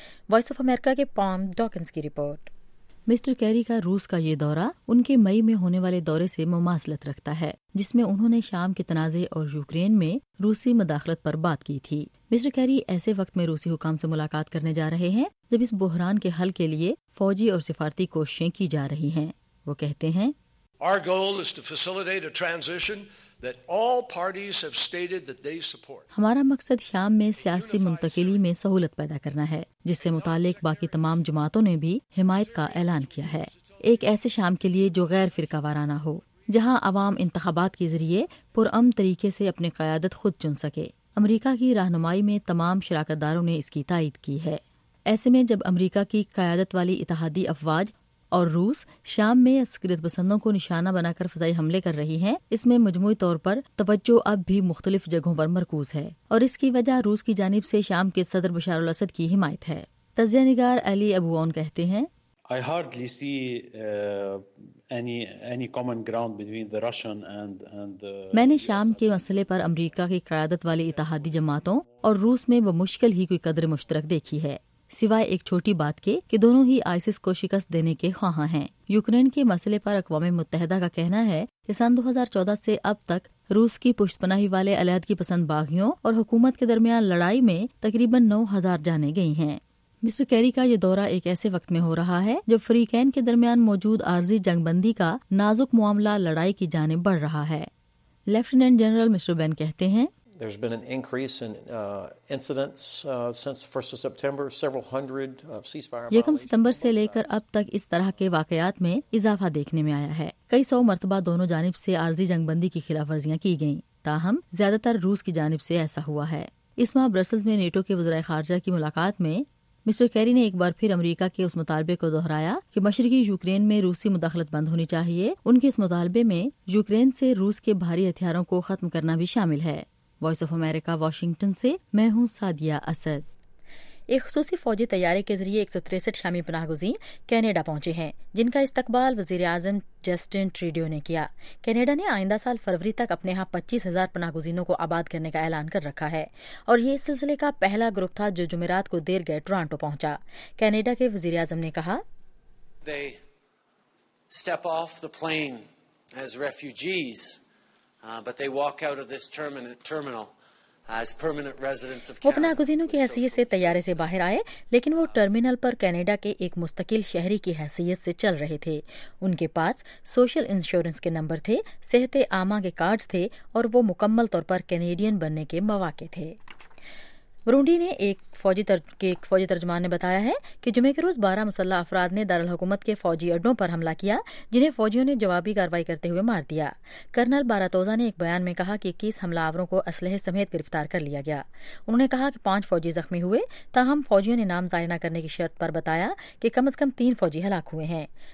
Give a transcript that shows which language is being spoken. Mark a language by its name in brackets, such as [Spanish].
[Urdu] Voice of America کے palm Dawkins کی report. Mister carry کا روس کا یہ دورہ ان کے مئی میں ہونے والے دورے سے مماثلت رکھتا ہے، جس میں انہوں نے شام کے تنازع اور یوکرین میں روسی مداخلت پر بات کی تھی. مسٹر کیری ایسے وقت میں روسی حکام سے ملاقات کرنے جا رہے ہیں جب اس بحران کے حل کے لیے فوجی اور سفارتی کوششیں کی جا رہی ہیں. وہ کہتے ہیں، [English] Our goal is to facilitate a transition that all parties have stated that they support. [Urdu] ہمارا مقصد شام میں سیاسی منتقلی میں سہولت پیدا کرنا ہے، جس سے متعلق باقی تمام جماعتوں نے بھی حمایت کا اعلان کیا ہے. ایک ایسے شام کے لیے جو غیر فرقہ وارانہ ہو، جہاں عوام انتخابات کے ذریعے پرامن طریقے سے اپنے قیادت خود چن سکے. امریکہ کی رہنمائی میں تمام شراکت داروں نے اس کی تائید کی ہے. ایسے میں جب امریکہ کی قیادت والی اتحادی افواج اور روس شام میں عسکریت پسندوں کو نشانہ بنا کر فضائی حملے کر رہی ہیں، اس میں مجموعی طور پر توجہ اب بھی مختلف جگہوں پر مرکوز ہے، اور اس کی وجہ روس کی جانب سے شام کے صدر بشار الاسد کی حمایت ہے. تجزیہ نگار علی ابو اون کہتے ہیں [English] I hardly see any common ground between the Russian and [Urdu] میں نے شام کے مسئلے پر امریکہ کی قیادت والی اتحادی جماعتوں اور روس میں بمشکل ہی کوئی قدر مشترک دیکھی ہے، سوائے ایک چھوٹی بات کے کہ دونوں ہی آئسس کو شکست دینے کے خواہاں ہیں۔ یوکرین کے مسئلے پر اقوام متحدہ کا کہنا ہے کہ سن 2014 سے اب تک روس کی پشت پناہی والے علیحدگی پسند باغیوں اور حکومت کے درمیان لڑائی میں تقریباً 9,000 جانیں گئی ہیں۔ مسٹر کیری کا یہ دورہ ایک ایسے وقت میں ہو رہا ہے جب فریقین کے درمیان موجود عارضی جنگ بندی کا نازک معاملہ لڑائی کی جانب بڑھ رہا ہے۔ لیفٹیننٹ جنرل مسٹر بین کہتے ہیں [English] There's been an increase in incidents since the 1st of September, several hundred ceasefire [Urdu] یکم ستمبر سے لے کر اب تک اس طرح کے واقعات میں اضافہ دیکھنے میں آیا ہے۔ کئی سو مرتبہ دونوں جانب سے عارضی جنگ بندی کی خلاف ورزیاں کی گئیں، تاہم زیادہ تر روس کی جانب سے ایسا ہوا ہے۔ اس ماہ برسلز میں نیٹو کے وزرائے خارجہ کی ملاقات میں مسٹر کیری نے ایک بار پھر امریکہ کے اس مطالبے کو دہرایا کہ مشرقی یوکرین میں روسی مداخلت بند ہونی چاہیے۔ ان کے اس مطالبے میں یوکرین سے روس کے بھاری ہتھیاروں کو ختم کرنا بھی شامل ہے۔ وائس آف امریکہ واشنگٹن سے میں ہوں سعدیہ اسد۔ ایک خصوصی فوجی طیارے کے ذریعے 163 شامی پناہ گزین کینیڈا پہنچے ہیں، جن کا استقبال وزیر اعظم جسٹن ٹریڈیو نے کیا۔ کینیڈا نے آئندہ سال فروری تک اپنے ہاں 25,000 پناہ گزینوں کو آباد کرنے کا اعلان کر رکھا ہے، اور یہ اس سلسلے کا پہلا گروپ تھا جو جمعرات کو دیر گئے ٹورانٹو پہنچا۔ کینیڈا کے وزیر اعظم نے کہا [English] They step off the plane as refugees. But they walk out of this terminal as permanent residents of Canada. [Urdu] وہ پناہ گزینوں کی حیثیت سے طیارے سے باہر آئے، لیکن وہ ٹرمینل پر کینیڈا کے ایک مستقل شہری کی حیثیت سے چل رہے تھے۔ ان کے پاس سوشل انشورنس کے نمبر تھے، صحت عامہ کے کارڈز تھے، اور وہ مکمل طور پر کینیڈین بننے کے مواقع تھے۔ برونڈی نے ایک فوجی ترجمان نے بتایا ہے کہ جمعے کے روز 12 مسلح افراد نے دارالحکومت کے فوجی اڈوں پر حملہ کیا، جنہیں فوجیوں نے جوابی کاروائی کرتے ہوئے مار دیا۔ کرنل باراتوزا نے ایک بیان میں کہا کہ 21 حملہ آوروں کو اسلحے سمیت گرفتار کر لیا گیا۔ انہوں نے کہا کہ 5 فوجی زخمی ہوئے، تاہم فوجیوں نے نام ظاہر نہ کرنے کی شرط پر بتایا کہ کم از کم 3 فوجی ہلاک ہوئے ہیں۔